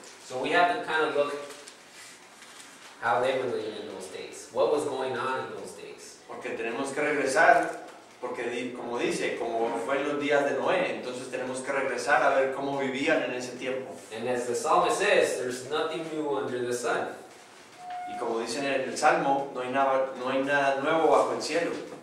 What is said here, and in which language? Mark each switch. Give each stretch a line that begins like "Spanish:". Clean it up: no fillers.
English: So we have to kind of look how they were living in those days. What was going on in those days?
Spanish: Porque tenemos que regresar, porque como dice, como fue en los días de Noé, entonces tenemos que regresar a ver cómo vivían en ese tiempo.
English: And as the psalmist says, there's nothing new under the sun.
Spanish: Y como dicen en el salmo, no hay nada nuevo bajo el cielo.